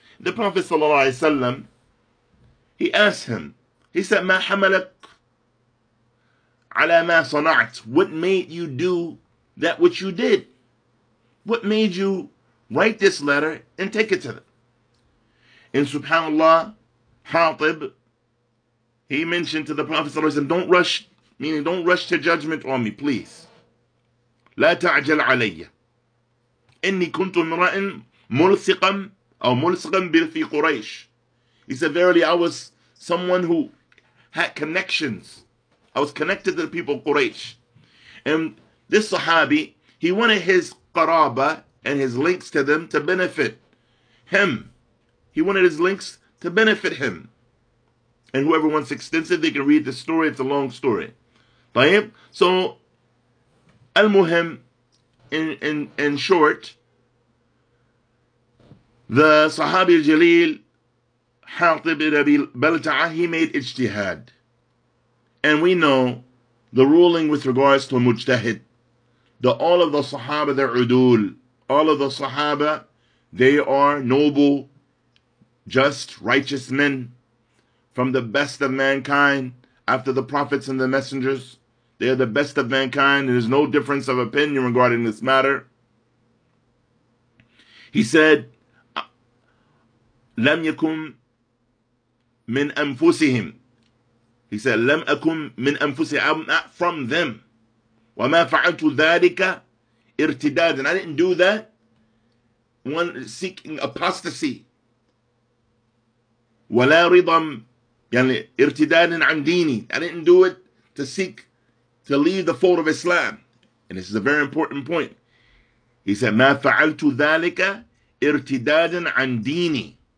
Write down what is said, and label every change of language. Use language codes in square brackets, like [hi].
[en] The Prophet sallallahu alaihi wasallam, he asked him, he said, [ar] "Ma hamalak ala ma sana'at," [en] what made you do that which you did? What made you write this letter and take it to them? And subhanAllah, Hatib, he mentioned to the Prophet sallallahu alayhi wa sallam, don't rush to judgment on me, please. [ar] لا تعجل علي. إني كنت امرأ ملصقا أو ملصقا في قريش. [en] He said, "Verily, I was someone who had connections. I was connected to the people of Quraysh." And this Sahabi, he wanted his qaraba and his links to them to benefit. him. He wanted his links to benefit him. And whoever wants extensive, they can read the story. It's a long story. So, al-muhim, in short, the Sahabi al-Jalil, Hatib ibn Abi Balta'a, he made ijtihad. And we know the ruling with regards to mujtahid. The all of the Sahaba, they're udul. All of the Sahaba, they are noble, just, righteous men from the best of mankind after the prophets and the messengers. They are the best of mankind. There is no difference of opinion regarding this matter. He said, [ar] لم يكن من أنفسهم. [en] He said, [ar] لم أكن من أنفسهم. [en] I'm not from them. [ar] وما فعلت ذلك ارتدادا. [en] And I didn't do that. One seeking apostasy. [ar] ولا رضا يعني ارتدادا عن ديني. [en] I didn't do it to seek to leave the fold of Islam. And this is a very important point. He said, [ar] ما فعلت ذلك ارتدادا عن ديني.